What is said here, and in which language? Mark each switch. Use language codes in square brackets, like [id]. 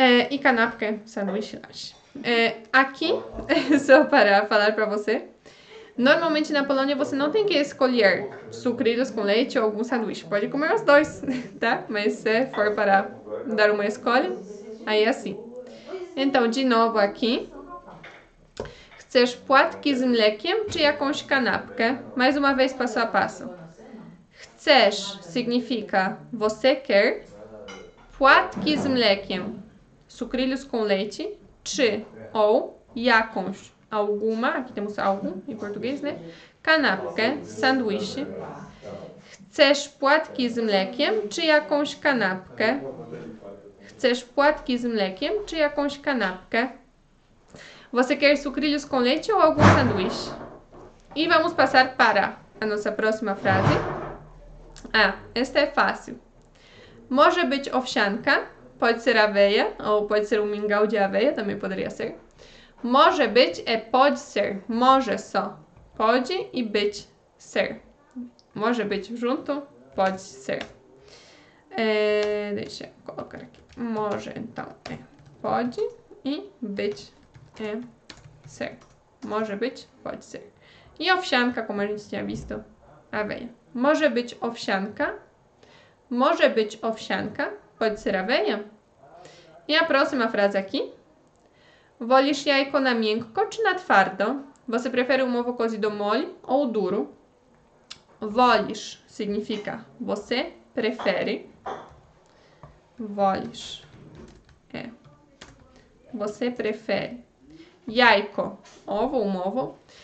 [pt] E kanapka é sanduíche, lanche. Aqui, só para falar para você. Normalmente na Polônia você não tem que escolher sucrilhos com leite ou algum sanduíche. Pode comer os dois, tá? Mas se for para dar uma escolha, aí é assim. Então, de novo aqui. [pl] Chcesz płatki z mlekiem czy jakąś kanapkę? [pt] Mais uma vez, passo a passo. Chcesz significa você quer. [pl] Płatki z mlekiem, [pt] sucrilhos com leite, czy ou jakąś, alguma, aqui temos algum em português, né? Kanapkę, sanduíche. [pl] Chcesz płatki z mlekiem czy jakąś kanapkę? Chcesz płatki z mlekiem czy jakąś kanapkę? [pt] Você quer sucrilhos com leite ou algum sanduíche? E vamos passar para a nossa próxima frase. Ah, esta é fácil. [pl] Może być owsianka, [pt] pode ser aveia, ou pode ser um mingau de aveia, também poderia ser. [pl] Może być [pt] é pode ser, może só. Pode e być ser. [pl] Może być [pt] junto, pode ser. Deixa eu colocar aqui. Może, então, é pode e być é ser. [pl] Może być, [pt] pode ser. E owsianka, como a gente tinha visto, aveia. [pl] Może być owsianka. Może być owsianka, [pt] pode ser aveia. E a próxima frase aqui. [pl] Wolisz jajko na miękko czy na twardo? [pt] Você prefere um ovo cozido mole ou duro? Wolisz significa você prefere. Wolisz. É. Você prefere. Jajko. Ovo, um ovo.